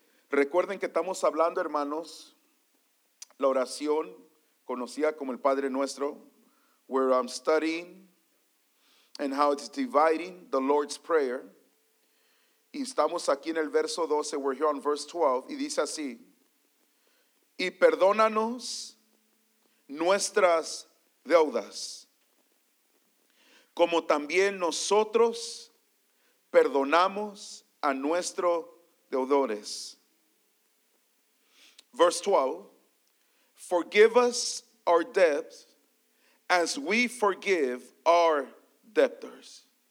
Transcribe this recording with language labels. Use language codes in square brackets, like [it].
[es] Recuerden que estamos hablando, hermanos, la oración conocida como el Padre Nuestro. [en] Where I'm studying and how it's dividing the Lord's Prayer. [es] Y estamos aquí en el verso 12. [en] We're here on verse 12. [es] Y dice así. Y perdónanos nuestras deudas, como también nosotros perdonamos a nuestros deudores. [en] Verse 12. Forgive us our debts as we forgive our debtors.